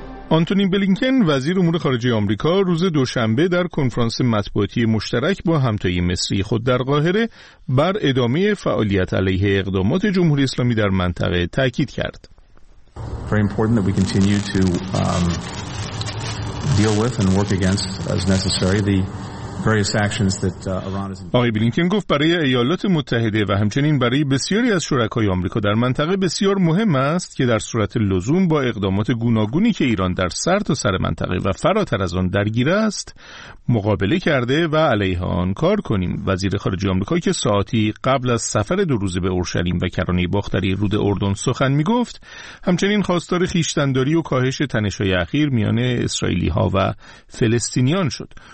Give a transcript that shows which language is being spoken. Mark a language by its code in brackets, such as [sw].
[fa] آنتونی بلینکن وزیر امور خارجه آمریکا روز دوشنبه در کنفرانس مطبوعاتی مشترک با همتای مصری خود در قاهره بر ادامه فعالیت علیه اقدامات جمهوری اسلامی در منطقه تاکید کرد. [en] Very important that we continue to deal with and work against as necessary the various actions that Iran is. [fa] آقای بلینکن گفت برای ایالات متحده و همچنین برای بسیاری از شرکای آمریکا در منطقه بسیار مهم است که در صورت لزوم با اقدامات گوناگونی که ایران در سرتاسر منطقه و فراتر از آن درگیر است مقابله کرده و علیه آن کار کنیم. وزیر خارجه آمریکا که ساعتی قبل از سفر دو روزه به اورشلیم و کرانه باختری رود اردن سخن میگفت همچنین خواستار خیشتنداری و کاهش تنش‌های اخیر میان اسرائیلی‌ها و فلسطینیان شد.